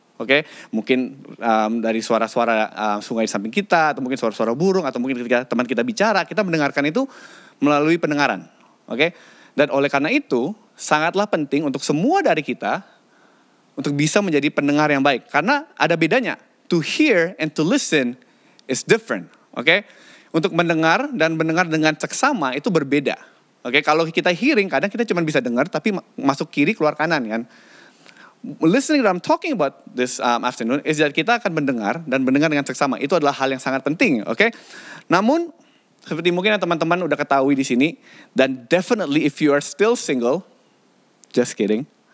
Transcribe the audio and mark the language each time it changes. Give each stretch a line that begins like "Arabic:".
Indonesian: Oke, mungkin dari suara-suara sungai di samping kita, atau mungkin suara-suara burung, atau mungkin ketika teman kita bicara, kita mendengarkan itu melalui pendengaran. Oke. Dan oleh karena itu, sangatlah penting untuk semua dari kita untuk bisa menjadi pendengar yang baik. Karena ada bedanya,
English: to hear and to listen is different.
Indonesian: Oke? Okay? Untuk mendengar dan mendengar dengan seksama itu berbeda. Oke? Okay? Kalau kita hearing, kadang kita cuma bisa dengar tapi masuk kiri keluar kanan kan.
English: Listening that I'm talking about this afternoon is that
Indonesian: kita akan mendengar dan mendengar dengan seksama. Itu adalah hal yang sangat penting. Oke? Okay? Namun, seperti mungkin yang teman-teman udah ketahui di sini, dan
English: definitely if you are still single, just kidding.